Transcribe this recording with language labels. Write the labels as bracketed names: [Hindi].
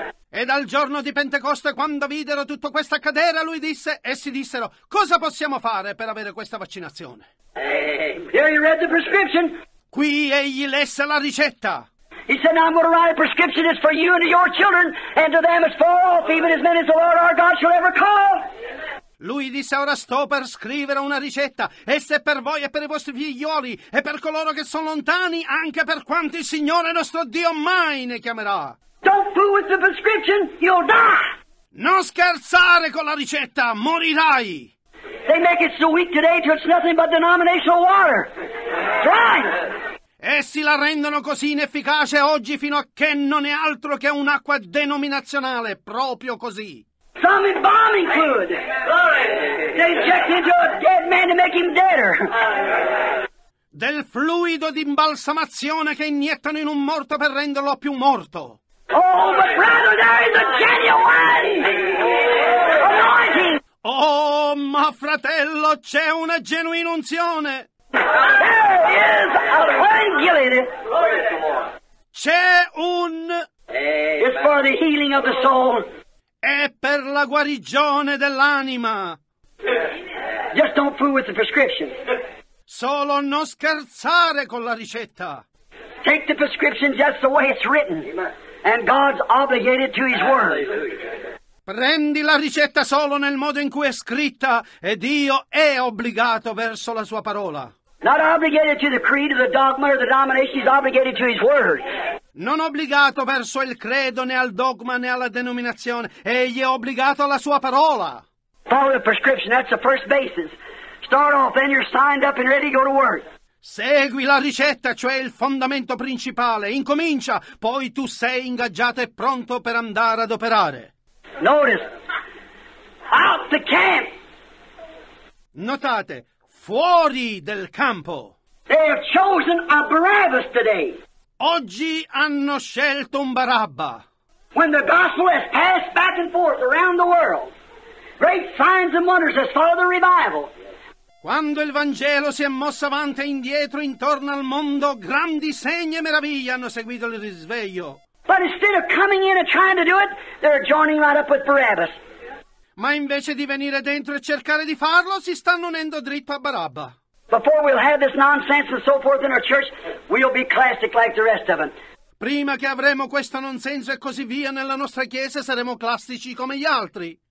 [Italian] E dal giorno di Pentecoste, quando videro tutto questo accadere, lui disse, essi dissero, cosa possiamo fare per avere questa vaccinazione? [English] Here you read the prescription. [Italian] Qui egli lesse la ricetta. [English] He said, now I'm going to write a prescription, it's for you and your children, and to them it's far off, even as many as the Lord our God shall ever call. [Italian] Lui disse, ora sto per scrivere una ricetta, essa è per voi e per i vostri figlioli, e per coloro che sono lontani, anche per quanti il Signore nostro Dio mai ne chiamerà. [English] Don't fool with the prescription, you'll die. [Italian] Non scherzare con la ricetta, morirai. [English] They make it so weak today till it's nothing but denominational water. Dry. [Italian] Essi la rendono così inefficace oggi fino a che non è altro che un'acqua denominazionale, proprio così. [English] Some embalming fluid. They inject into a dead man to make him deader. [Italian] Del fluido di imbalsamazione che iniettano in un morto per renderlo più morto. [English] Oh, but brother, there is a genuine anointing. [Italian] Oh, ma fratello, c'è una genuina unzione. [English] There is a wrangling. [Italian] C'è un... [English] It's for the healing of the soul. [Italian] È per la guarigione dell'anima. [English] Just don't fool with the prescription. [Italian] Solo non scherzare con la ricetta. [English] Take the prescription just the way it's written. And God's obligated to his word. [Italian] Prendi la ricetta solo nel modo in cui è scritta e Dio è obbligato verso la sua parola. [English] Not obligated to the creed or the dogma or the denomination, he's obligated to his word. [Italian] Non obbligato verso il credo né al dogma né alla denominazione, egli è obbligato alla sua parola. [English] Follow the prescription, that's the first basis. Start off, then you're signed up and ready to go to work. [Italian] Segui la ricetta, cioè il fondamento principale. Incomincia, poi tu sei ingaggiato e pronto per andare ad operare. [English] Notice, out the camp. [Italian] Notate, fuori del campo. [English] They have chosen a Barabbas today. [Italian] Oggi hanno scelto un Barabba. [English] When the gospel has passed back and forth around the world, great signs and wonders has followed the revival. [Italian] Quando il Vangelo si è mosso avanti e indietro intorno al mondo, grandi segni e meraviglie hanno seguito il risveglio. [English] But instead of coming in and trying to do it, they're joining right up with Barabbas. [Italian] Ma invece di venire dentro e cercare di farlo, si stanno unendo dritto a Barabba. [English] Before we'll have this nonsense and so forth in our church, we'll be classic like the rest of them. [Italian] Prima che avremo questo nonsenso e così via nella nostra chiesa, saremo classici come gli altri.